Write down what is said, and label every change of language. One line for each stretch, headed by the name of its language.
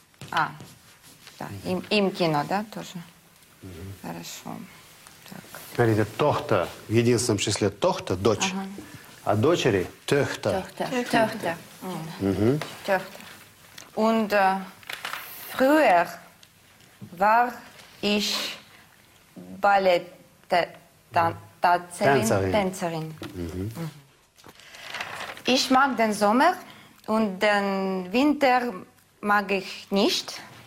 German: Ah, da, im Kino, da, тоже.
Russian: Хорошо. Смотрите, Tochter, в единственном числе Tochter, дочь. А дочери – Töchter.
German: Und früher war ich Ballett-Tänzerin. Ich mag den Sommer und den Winter mag ich nicht.